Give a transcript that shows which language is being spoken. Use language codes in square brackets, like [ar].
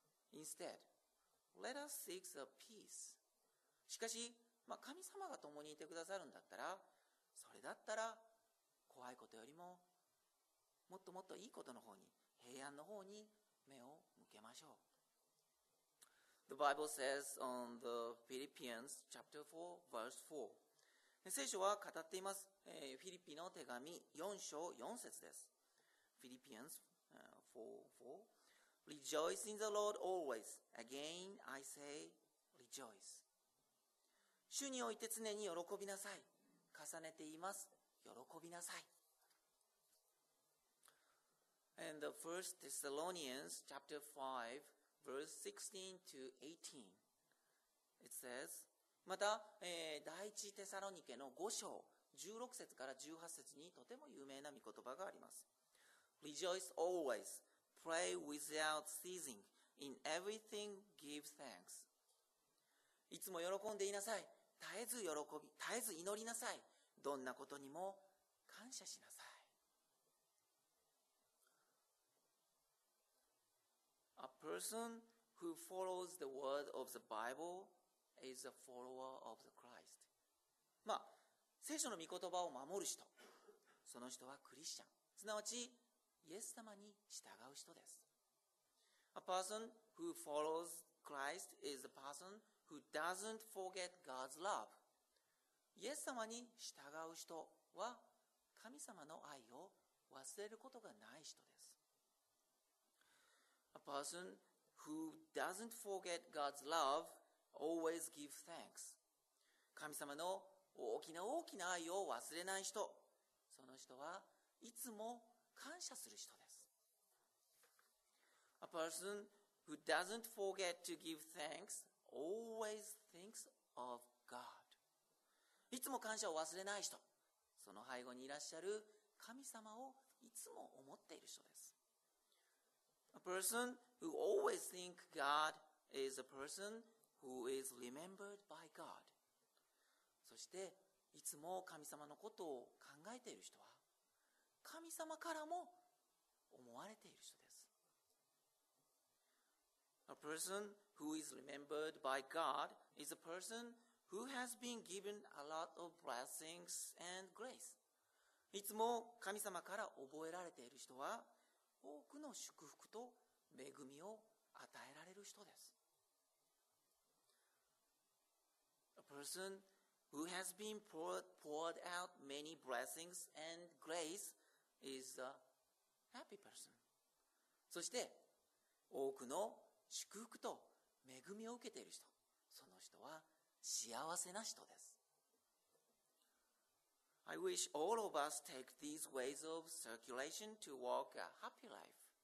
[en] Instead, let us seek the peace. [ja] しかし、まあ、神様が共にいてくださるんだったら、それだったら怖いことよりももっともっといいことの方に、平安の方に目を向けましょう。 [en] The Bible says on the Philippians chapter 4 verse 4. [ja] 聖書は語っています。フィリピの手紙4章4節です。 [en] Philippians 4:4. Rejoice in the Lord always. Again I say rejoice. [ja] 主において常に喜びなさい。重ねています。喜びなさい。 [en] And the First Thessalonians chapter 5, verse 16 to 18. It says, [ja] また、第一テサロニケの5章、16節から18節にとても有名な御言葉があります。 [en] Rejoice always, pray without ceasing, in everything give thanks. [ja] いつも喜んでいなさい。絶えず喜び、絶えず祈りなさい。どんなことにも感謝しなさい。 [en] person who follows the word of the Bible is a follower of the Christ. [ja] まあ、聖書の御言葉を守る人、その人はクリスチャン、すなわちイエス様に従う人です。 [en] A person who follows Christ is a person who doesn't forget God's love. [ja] イエス様に従う人は神様の愛を忘れることがない人です。 [en] A person who doesn't forget God's love always gives thanks. [ja] 神様の大きな大きな愛を忘れない人、その人はいつも感謝する人です。 [en] A person who doesn't forget to give thanks always thinks of God. [ja] いつも感謝を忘れない人、その背後にいらっしゃる神様をいつも思っている人です。 [en] A person who always thinks God is a person who is remembered by God. [ja] そしていつも神様のことを考えている人は神様からも思われている人です。 [en] A person who is remembered by God is a person who has been given a lot of blessings and grace. [ja] いつも神様から覚えられている人は多くの祝福と恵みを与えられる人です。 [en] A person who has been poured out many blessings and grace is a happy person. [ja] そして多くの祝福と恵みを受けている人、その人は幸せな人です。 [en] I wish all of us take these ways of circulation to walk a happy life.